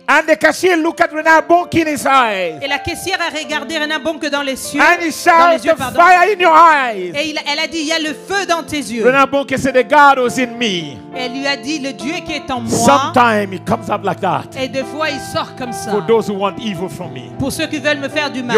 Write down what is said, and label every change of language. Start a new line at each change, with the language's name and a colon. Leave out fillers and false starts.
English: And the cashier looked at Renard Bonnke in his eyes.
French: Et la caissière a regardé Renard Bonnke dans les yeux.
English: And he shouted,
French: dans les yeux,
English: the fire in your eyes.
French: Et elle a dit, il y a le feu dans tes yeux.
English: Renard Bonnke said, the God was in me.
French: Elle lui a dit, le Dieu qui est en moi.
English: Sometimes he comes up like that.
French: Et des fois il sort comme ça.
English: For those who want evil from me.
French: Pour ceux qui veulent me faire du mal.